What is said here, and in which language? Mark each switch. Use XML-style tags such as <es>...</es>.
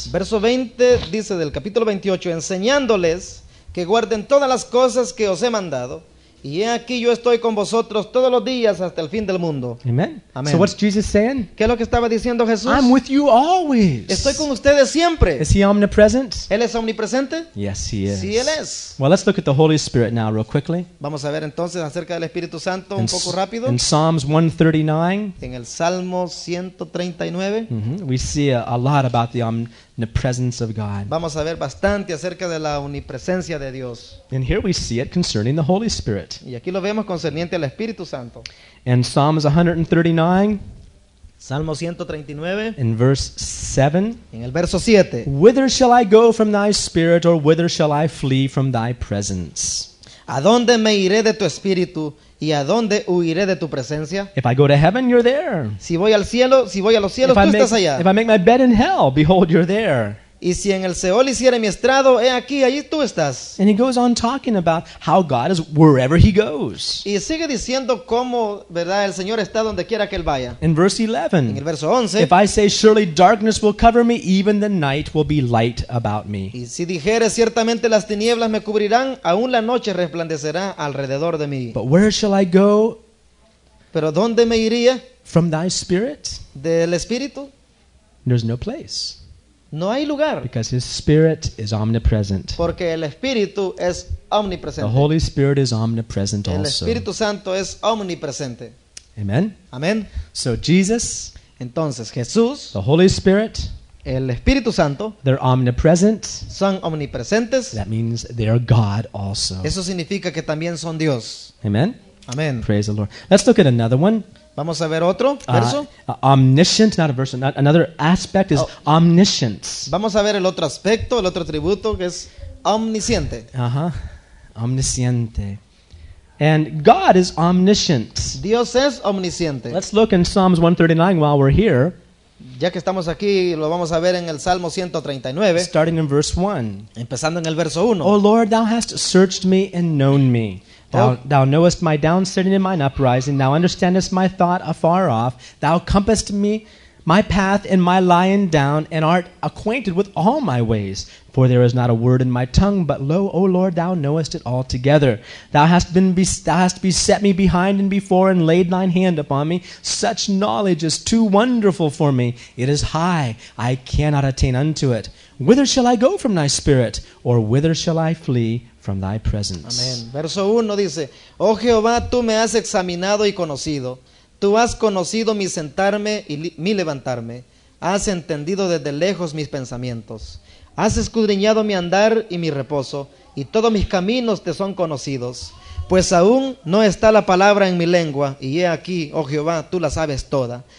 <es>Verso 20 dice del capítulo 28, enseñándoles que guarden todas las cosas que os he mandado, y he aquí yo estoy con vosotros todos los días hasta el fin del mundo. Amen.</es> <en>Amen. So what's Jesus saying?</en> <es>¿Qué es lo que estaba diciendo Jesús?</es> <en>I'm with you always.</en> <es>Estoy con ustedes siempre.</es> <en>Is he omnipresent?</en> <es>¿Él es omnipresente?</es> <en>Yes, he is.</en> <es>Sí, él es.</es> <en>Well, let's look at the Holy Spirit now real quickly.</en> <es>Vamos a ver entonces acerca del Espíritu Santo un poco rápido.</es> <en>In Psalms 139.</en> <es>En el Salmo 139.</es> <en>Mm-hmm. We see a lot about the omnipresence of God.</en> <es>Vamos a ver bastante acerca de la omnipresencia de Dios.</es> <en>And here we see it concerning the Holy Spirit.</en> <es>Y aquí lo vemos concerniente al Espíritu Santo.</es> <en>In Psalms 139.</en> <es>Salmo 139.</es> <en>In verse 7.</en> <es>En el verso 7.</es> <en>Whither shall I go from thy spirit, or whither shall I flee from thy presence?</en> <es>¿A dónde me iré de tu espíritu? ¿Y a dónde huiré de tu presencia?</es> <en>If I go to heaven, you're there.</en> <es>Si voy al cielo, si voy a los cielos, tú estás allá.</es> <en>If I make my bed in hell, behold, you're there.</en> <es>Y si en el Seol hiciere mi estrado, he aquí, allí tú estás.</es> <en>And he goes on talking about how God is wherever he goes.</en> <es>Y sigue diciendo cómo, ¿verdad?, el Señor está donde quiera que él vaya.</es> <en>In verse 11.</en> <es>En el verso 11.</es> <en>If I say, surely darkness will cover me, even the night will be light about me.</en> <es>Y si dijere, ciertamente las tinieblas me cubrirán, aún la noche resplandecerá alrededor de mí.</es> <en>But where shall I go?</en> <es>¿Pero dónde me iría?</es> <en>From thy spirit?</en> <es>Del espíritu.</es> <en>There's no place.</en> <es>No hay lugar.</es> <en>Because his spirit is omnipresent.</en> <es>Porque el Espíritu es omnipresente.</es> <en>The Holy Spirit is omnipresent</en> <es>el</es> <en>also.</en> <es>El Espíritu Santo es omnipresente.</es> <en>Amen. Amen. So Jesus.</en> <es>Entonces Jesús.</es> <en>The Holy Spirit.</en> <es>El Espíritu Santo.</es> <en>They're omnipresent.</en> <es>Son omnipresentes.</es> <en>That means they are God also.</en> <es>Eso significa que también son Dios. Amen. Amen.</es> <en>Praise the Lord. Let's look at another one.</en> <es>Vamos a ver otro verso.</es> <en>Omniscient, not a verse. Not another aspect is omniscience.</en> <es>Vamos a ver el otro aspecto, el otro atributo que es omnisciente.</es> <en>Uh-huh. Omnisciente. And God is omniscient.</en> <es>Dios es omnisciente.</es> <en>Let's look in Psalms 139 while we're here.</en> <es>Ya que estamos aquí, lo vamos a ver en el Salmo 139.</es> <en>Starting in verse 1.</en> <es>Empezando en el verso 1.</es> <en>Oh Lord, thou hast searched me and known me. Thou knowest my downsitting and mine uprising. Thou understandest my thought afar off. Thou compassest me, my path and my lying down, and art acquainted with all my ways. For there is not a word in my tongue, but lo, O Lord, thou knowest it altogether. Thou hast beset me behind and before, and laid thine hand upon me. Such knowledge is too wonderful for me. It is high. I cannot attain unto it. Whither shall I go from thy spirit, or whither shall I flee from thy presence?</en> <es>Amen. Verso 1 dice, Oh Jehová, tú me has examinado y conocido. Tú has conocido mi sentarme y mi levantarme. Has entendido desde lejos mis pensamientos. Has escudriñado mi andar y mi reposo, y todos mis caminos te son conocidos. Pues aún no está la palabra en mi lengua, y he aquí, oh Jehová, tú la sabes toda.</es>